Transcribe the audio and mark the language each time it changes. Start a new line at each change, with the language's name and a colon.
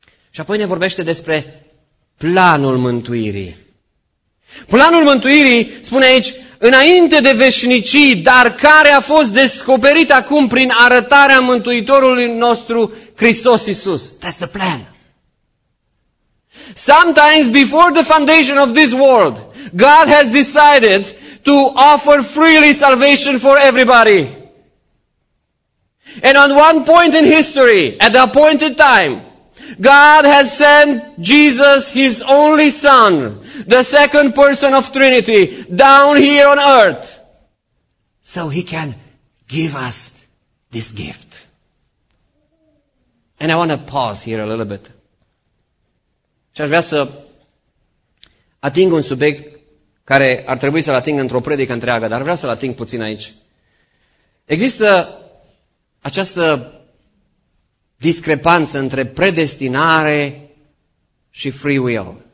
Romanian: Și apoi ne vorbește despre planul mântuirii. Planul mântuirii spune aici, înainte de veșnicii, dar care a fost descoperit acum prin arătarea Mântuitorului nostru, Hristos Iisus.
English: That's the plan. Sometimes before the foundation of this world, God has decided to offer freely salvation for everybody. And on one point in history, at the appointed time, God has sent Jesus, His only Son, the second person of Trinity, down here on earth, so He can give us this gift. And I want to pause here a little bit.
Romanian: Și aș vrea să ating un subiect care ar trebui să-l ating într-o predică întreagă, dar vreau să-l ating puțin aici. Există această discrepanță între predestinare și free will.